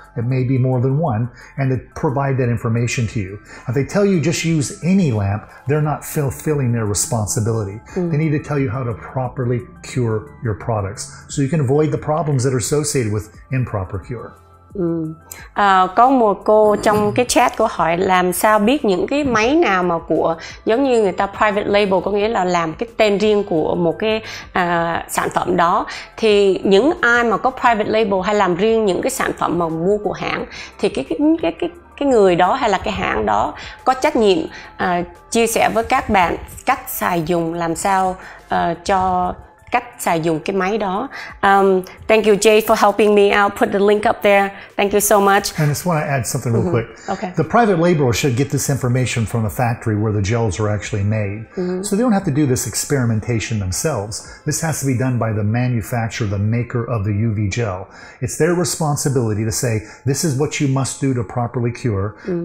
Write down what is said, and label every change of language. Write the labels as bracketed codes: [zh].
[en] It may be more than one, and to provide that information to you. If they tell you just use any lamp, they're not fulfilling their responsibility. Mm-hmm. They need to tell you how to properly cure your products so you can avoid the problems that are associated with improper cure. [vi] Có một cô trong cái chat cô hỏi làm sao biết những cái máy nào mà của giống như người ta private label, có nghĩa là làm cái tên riêng của một cái sản phẩm đó. Thì những ai mà có private label hay làm riêng những cái sản phẩm mà mua của hãng thì cái người đó hay là cái hãng đó có trách nhiệm chia sẻ với các bạn cách xài dùng, làm sao cho cách xài dùng cái máy đó. [en] Thank you, Jay, for helping me out. Put the link up there. Thank you so much. And I just want to add something real quick. Okay. The private label should get this information from a factory where the gels are actually made. Mm-hmm. So they don't have to do this experimentation themselves. This has to be done by the manufacturer, the maker of the UV gel. It's their responsibility to say, this is what you must do to properly cure. Mm-hmm.